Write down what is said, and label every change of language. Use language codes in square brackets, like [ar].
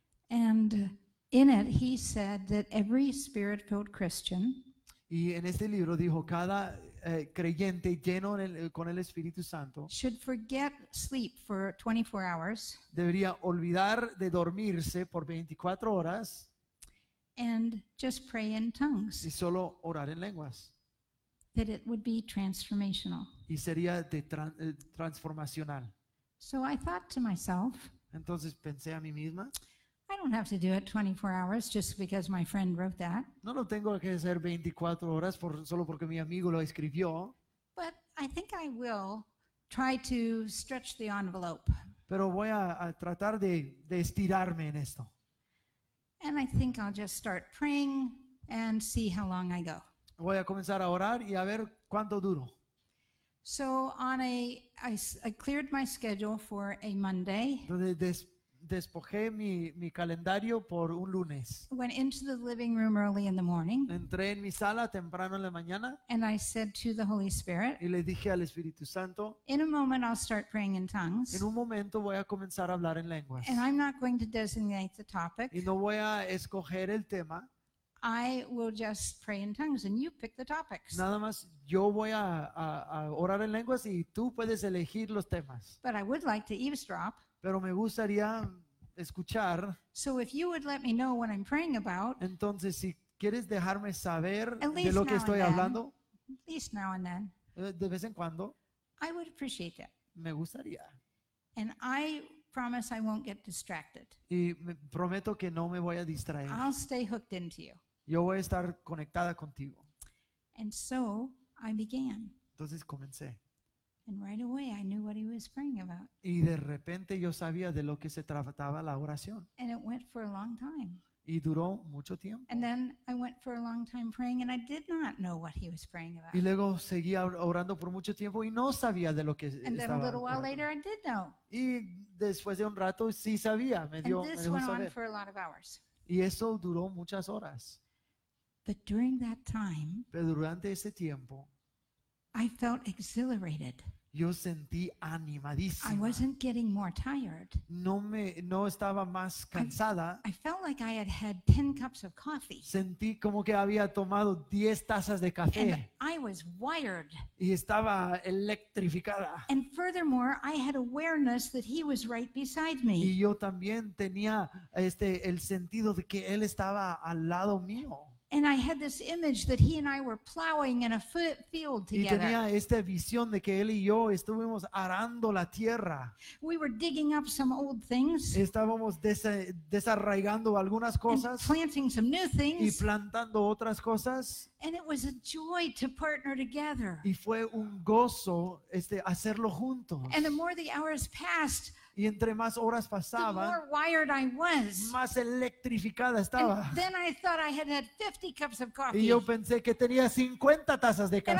[en] And in it he said that every spirit-filled Christian. [es] Y en este libro dijo cada creyente lleno con el Espíritu Santo. [en] Should forget sleep for 24 hours. [es] Debería olvidar de dormirse por 24 horas. [en] And just pray in tongues. [es] Y solo orar en lenguas. [en] That it would be transformational. [es] Y sería de transformacional. [en] So I thought to myself. [es] Entonces pensé a mí misma. [en] I don't have to do it 24 hours just because my friend wrote that. [es] No lo tengo que hacer 24 horas solo porque mi amigo lo escribió. [en] But I think I will try to stretch the envelope. [es] Pero voy a tratar de estirarme en esto. [en] And I think I'll just start praying and see how long I go. [es] Voy a comenzar a orar y a ver cuánto duro. [en] So on I cleared my schedule for a Monday. [es] Despojé mi calendario por un lunes. [en] Went into the living room early in the morning. [es] Entré en mi sala temprano en la mañana. [en] And I said to the Holy Spirit. [es] Y le dije al Espíritu Santo. [en] In a moment I'll start praying in tongues. [es] En un momento voy a comenzar a hablar en lenguas. [en] And I'm not going to designate the topic. [es] Y no voy a escoger el tema. [en] I will just pray in tongues and you pick the topics. [es] Nada más yo voy a orar en lenguas y tú puedes elegir los temas. [en] But I would like to eavesdrop. [es] Pero me gustaría escuchar. [en] So if you would let me know what I'm praying about. [es] Entonces si quieres dejarme saber de lo que estoy hablando. [en] At least now and then. [es] De vez en cuando. [en] I would appreciate that. [es] Me gustaría. [en] And I promise I won't get distracted. [es] Y me prometo que no me voy a distraer. [en] I'll stay hooked into you. [es] Yo voy a estar conectada contigo. [en] And so I began. [es] Entonces comencé. [en] And right away I knew what he was praying about. [es] Y de repente yo sabía de lo que se trataba la oración. [en] And it went for a long time. [es] Y duró mucho tiempo. [en] And then I went for a long time praying and I did not know what he was praying about. [es] Y luego seguí orando por mucho tiempo y no sabía de lo que [en] and [es] estaba. [en] And then a little while later I did know. [es] Y después de un rato sí sabía, me dio saber. [en] And this went on for a lot of hours. [es] Y eso duró muchas horas. [en] But during that time, [es] pero durante ese tiempo, [en] I felt exhilarated. [es] Yo sentí animadísima. [en] I wasn't getting more tired. [es] No estaba más cansada. [en] I felt like I had had 10 cups of coffee. [es] Sentí como que había tomado 10 tazas de café. [en] And I was wired. [es] Y estaba electrificada. [en] And furthermore, I had awareness that he was right beside me. [es] Y yo también tenía el sentido de que él estaba al lado mío. [en] And I had this image that he and I were plowing in a field together. [es] Y tenía esta visión de que él y yo estuvimos arando la tierra. [en] We were digging up some old things. [es] Estábamos desarraigando algunas cosas. [en] And planting some new things. [es] Y plantando otras cosas. [en] And it was a joy to partner together. [es] Y fue un gozo hacerlo juntos. [en] And the more the hours passed, [es] y entre más horas pasaban, [en] the more wired I was. [es] Más electrificada estaba. [en] And then I thought I had had 50 cups of coffee. [es] Y yo pensé que tenía 50 tazas de café.